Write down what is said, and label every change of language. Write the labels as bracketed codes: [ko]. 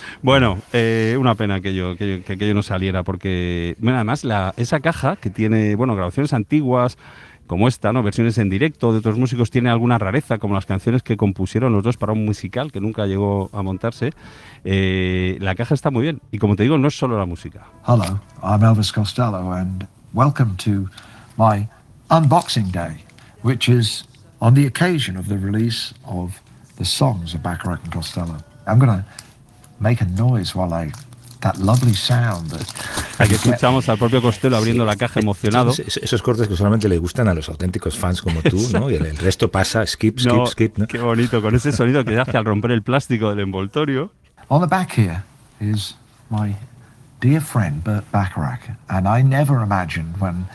[es] Bueno, una pena que yo no saliera, porque bueno, además esa caja que tiene, bueno, grabaciones antiguas como esta, ¿no? Versiones en directo de otros músicos, tiene alguna rareza, como las canciones que compusieron los dos para un musical que nunca llegó a montarse. La caja está muy bien. Y como te digo, no es solo la música. [en] Hello, I'm Elvis Costello and welcome to my unboxing day, which is on the occasion of the release of the songs of Bacharach and Costello. I'm going to make a noise while I... that lovely sound. [es] Aquí escuchamos al propio Costello abriendo la caja emocionado. Esos cortes que solamente le gustan a los auténticos fans como tú, ¿no? Y el resto pasa, skip. ¿No? Qué bonito, con ese sonido que hace al romper el plástico del envoltorio. [en] On the back here is my... dear friend Burt Bacharach, and I never imagined when.